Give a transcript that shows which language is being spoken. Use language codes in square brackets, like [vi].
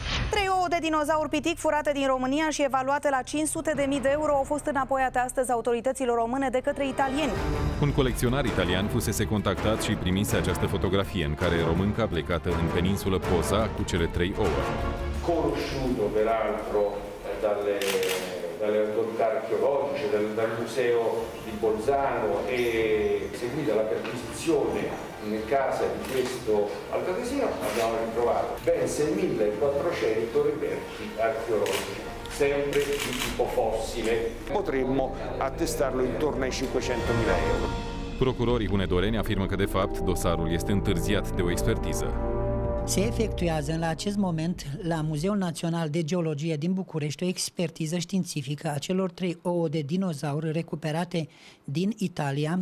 [ro] Trei ouă de dinozauri pitic furate din România și evaluate la 500.000 de euro au fost înapoiate astăzi autorităților române de către italieni. Un colecționar italian fusese contactat și primise această fotografie în care românca plecată în peninsulă poza cu cele trei ouă. [it] Conosciuto peraltro dalle autorità archeologiche, dal museo di Bolzano e seguita la perquisizione nel casa di questo altoatesino, abbiamo ritrovato ben 6.400 reperti archeologici, sempre di tipo fossile. Potremmo attestarlo intorno ai 500.000 euro. [ro] Procurorii hunedoreni afirmă că, de fapt, dosarul este întârziat de o expertiză. Se efectuează în acest moment la Muzeul Național de Geologie din București o expertiză științifică a celor trei ouă de dinozauri recuperate din Italia.